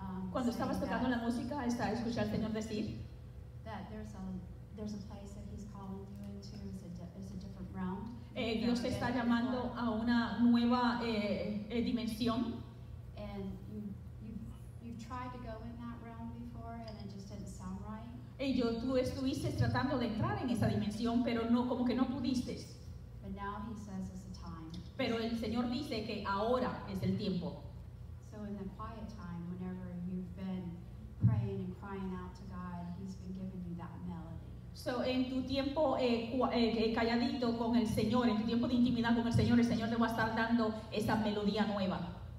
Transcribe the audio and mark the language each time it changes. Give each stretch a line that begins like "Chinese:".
Spanish: Cuando estabas tocando la música, estaba escuchando al Señor decir
English: that there's a place that he's calling you into. It's a different realm.
Spanish: Dios te está llamando a una nueva dimensión.
English: And you've tried to go in that realm before and it just didn't sound right.
Spanish: Tú estuviste tratando de entrar en esa dimensión, pero no, como que no pudiste.
English: But now he says it's the time.
Spanish: Pero el Señor dice que ahora es el tiempo.
English: So in the quiet time, whenever praying and crying out to God, he's been giving you that melody.
Spanish: So en tu tiempo calladito con el Señor, en tu tiempo de intimidad con el Señor te va a estar dando esa melodía nueva.